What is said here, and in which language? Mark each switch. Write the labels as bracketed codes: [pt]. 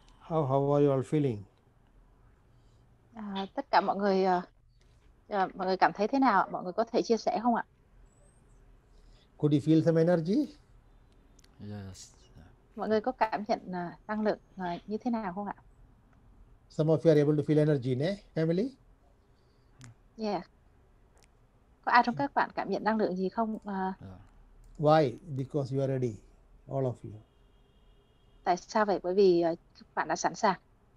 [en] How are you all feeling? [vi] Tất cả mọi người cảm thấy thế nào? Mọi người có thể chia sẻ không ạ? [en] Could you feel some energy? Yes. [vi] Mọi người có cảm nhận năng lượng như thế nào không ạ? [en] Some of you are able to feel energy, né, family? Yeah. [vi] Có ai trong các bạn cảm nhận năng lượng gì không? [en] Why? Because you are ready, all of you. [vi] Tại sao vậy? Bởi vì các bạn đã sẵn sàng.